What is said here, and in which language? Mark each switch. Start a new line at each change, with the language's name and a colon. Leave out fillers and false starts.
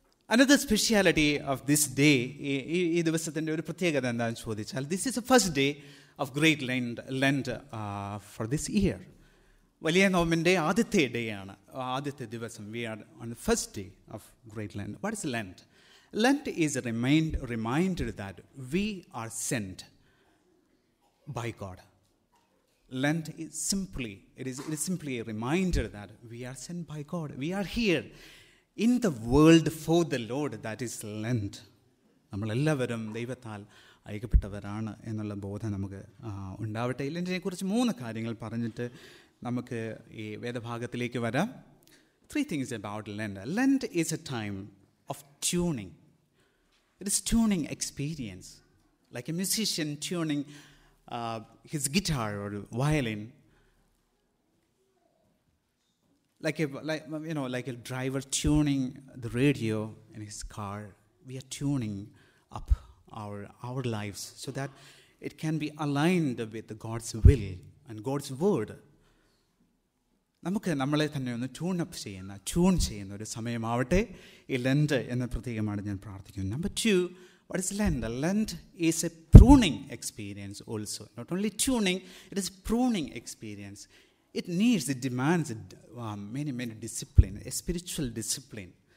English: another speciality of this day,
Malayalam: ഈ ദിവസത്തിൻ്റെ ഒരു പ്രത്യേകത എന്താണെന്ന് ചോദിച്ചാൽ,
English: This is a first day of Great Lent for this year.
Malayalam: വലിയ നോമ്പിൻ്റെ ആദ്യത്തെ ഡേ ആണ്, ആദ്യത്തെ ദിവസം.
English: We are on the first day of Great Lent. What's Lent? Lent is a reminder that we are sent by God. Lent is simply, it is simply a reminder that we are sent by God. We are here in the world for the Lord. That is Lent.
Malayalam: നമ്മളെല്ലാവരും ദൈവത്താൽ ഐക്യപ്പെട്ടവരാണ് എന്നുള്ള ബോധം നമുക്ക് ഉണ്ടാവട്ടെ. ലെൻറ്റിനെ കുറിച്ച് മൂന്ന് കാര്യങ്ങൾ പറഞ്ഞിട്ട് നമുക്ക് ഈ വേദഭാഗത്തിലേക്ക് വരാം.
English: Three things about Lent. Lent is a time of tuning. It is tuning experience, like a musician tuning his guitar or violin, like a driver tuning the radio in his car. We are tuning up our lives so that it can be aligned with God's will and God's word.
Malayalam: നമുക്ക് നമ്മളെ തന്നെ ഒന്ന് tune up ചെയ്യുന്ന ഒരു സമയമാവട്ടെ ഈ lent എന്ന പ്രത്യേകമാണ് ഞാൻ പ്രാർത്ഥിക്കുന്നത്.
English: Number two, what is Lent? Lent is a pruning experience also. Not only tuning, it is pruning experience. It demands many many discipline, a spiritual discipline.